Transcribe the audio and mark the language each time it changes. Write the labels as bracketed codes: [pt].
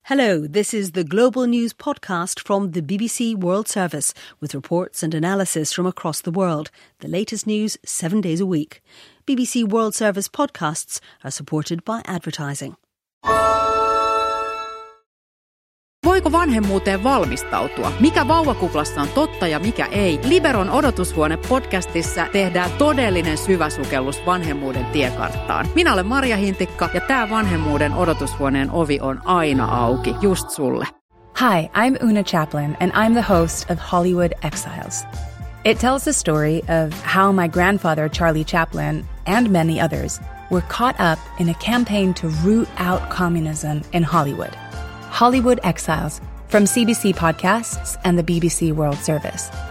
[en] Hello, this is the Global News Podcast from the BBC World Service with reports and analysis from across the world. The latest news 7 days a week. BBC World Service podcasts are supported by advertising. [fi] Voiko vanhemmuuteen valmistautua? Mikä vauvakuplassa on totta ja mikä ei? Liberon odotushuone-podcastissa tehdään todellinen syväsukellus vanhemmuuden tiekarttaan. Minä olen Marja Hintikka ja tämä vanhemmuuden odotushuoneen ovi on aina auki, just sulle. [en] Hi, I'm Una Chaplin and I'm the host of Hollywood Exiles. It tells the story of how my grandfather Charlie Chaplin and many others were caught up in a campaign to root out communism in Hollywood. Hollywood Exiles from CBC Podcasts and the BBC World Service.